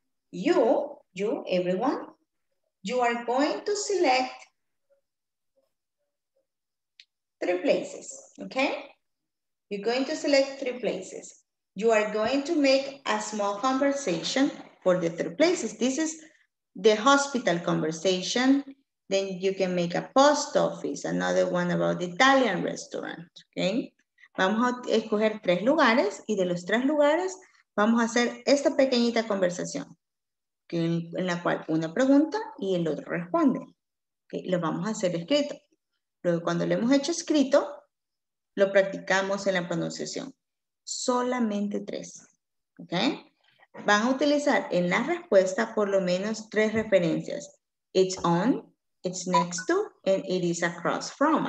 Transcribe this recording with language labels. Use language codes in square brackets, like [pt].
[en] You, everyone, you are going to select three places, okay? You're going to select three places. You are going to make a small conversation for the three places. This is the hospital conversation. Then you can make a post office, another one about the Italian restaurant, okay? [es] Vamos a escoger tres lugares y de los tres lugares, vamos a hacer esta pequeñita conversación en la cual una pregunta y el otro responde. Okay, lo vamos a hacer escrito. Luego cuando lo hemos hecho escrito, lo practicamos en la pronunciación. Solamente tres. Okay? Van a utilizar en la respuesta por lo menos tres referencias. [en] It's on, it's next to, and it is across from.